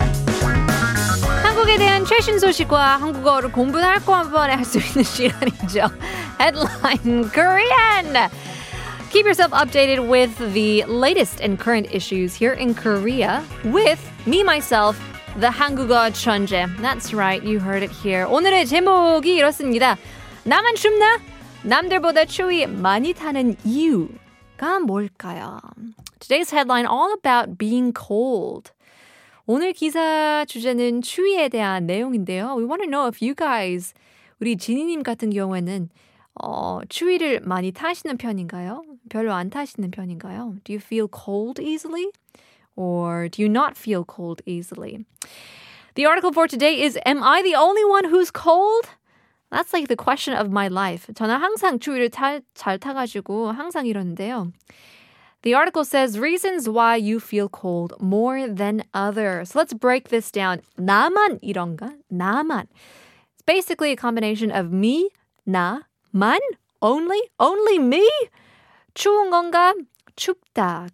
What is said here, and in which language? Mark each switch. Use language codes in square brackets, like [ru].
[ko] 최신 소식과 한국어를 공부할 거 한 번에 할 수 있는 시간이죠. [en] Headline Korean. Keep yourself updated with the latest and current issues here in Korea with me, myself, the 한국어 천재. That's right, you heard it here. [ko] 오늘의 제목이 이렇습니다. 나만 춥나? 남들보다 추위 많이 타는 이유가 뭘까요? [en] Today's headline all about being cold. [ko] 오늘 기사 주제는 추위에 대한 내용인데요. [en] We want to know if you guys, [ko] 우리 지니님 같은 경우에는 추위를 많이 타시는 편인가요? 별로 안 타시는 편인가요? [en] Do you feel cold easily? Or do you not feel cold easily? The article for today is, Am I the only one who's cold? That's like the question of my life. [ko] 저는 항상 추위를 잘 타가지고 항상 이러는데요. [en] The article says, reasons why you feel cold more than others. So let's break this down. [ko] 나만 이런가? 나만. [en] It's basically a combination of me, 나, 만, only, only me. [ko] 추운 건가? 춥다.